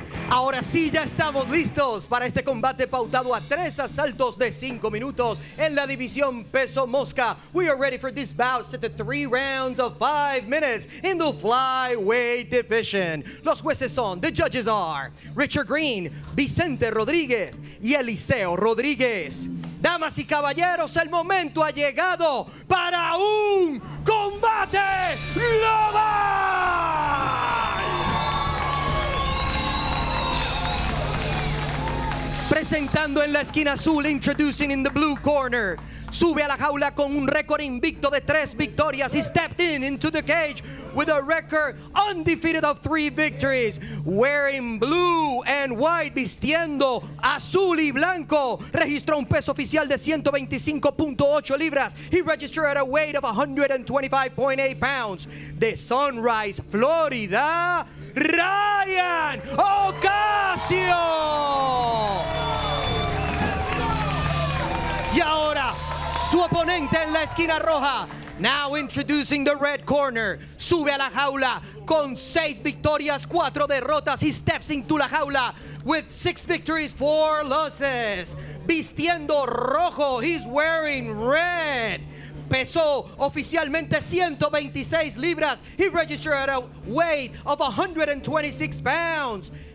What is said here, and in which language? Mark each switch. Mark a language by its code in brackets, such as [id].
[es] Ahora sí, ya estamos listos para este combate pautado a tres asaltos de cinco minutos en la división peso mosca. [en] We are ready for this bout set to three rounds of 5 minutes in the flyweight division. [es] Los jueces son, [en] the judges are, [es] Richard Green, Vicente Rodríguez y Eliseo Rodríguez. Damas y caballeros, el momento ha llegado para un combate global. Presentando en la esquina azul, [en] introducing in the blue corner. [es] Sube a la jaula con un récord invicto de tres victorias. [en] He stepped into the cage with a record undefeated of three victories. Wearing blue and white, [es] vistiendo azul y blanco. Registró un peso oficial de 125.8 libras. [en] He registered at a weight of 125.8 pounds. [es] De Sunrise, Florida, Ryan Ocasio. Y ahora, su oponente en la esquina roja. [en] Now introducing the red corner. [es] Sube a la jaula con seis victorias, cuatro derrotas. [en] He steps into [es] la jaula [en] with six victories, four losses. [es] Vistiendo rojo, [en] he's wearing red. [es] Pesó oficialmente 126 libras. [en] He registered at a weight of 126 pounds.